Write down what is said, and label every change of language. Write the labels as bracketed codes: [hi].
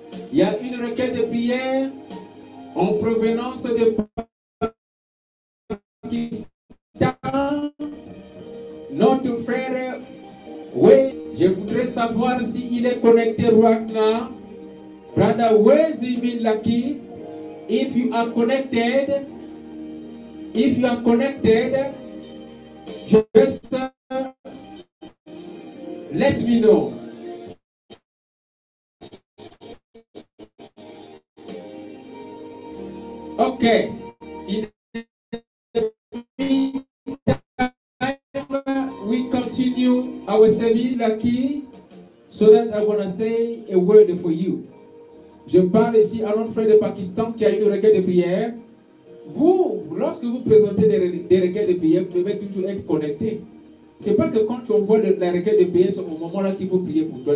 [fr] Il y a une requête de prière en provenance de Pakistan, notre frère. Oui, je voudrais savoir s'il est connecté [en] right now. Brother, where's he been lucky? If you are connected, if you are connected, just let me know. Okay, in the meantime, we continue our service, Lucky, so that I want to say a word for you. [fr] Je parle ici à notre frère de Pakistan qui a une requête de prière. Vous, lorsque vous présentez des requêtes de prière, vous devez toujours être connecté. C'est pas que quand tu envoies la requête de prière, c'est au moment là qu'il faut prier pour toi.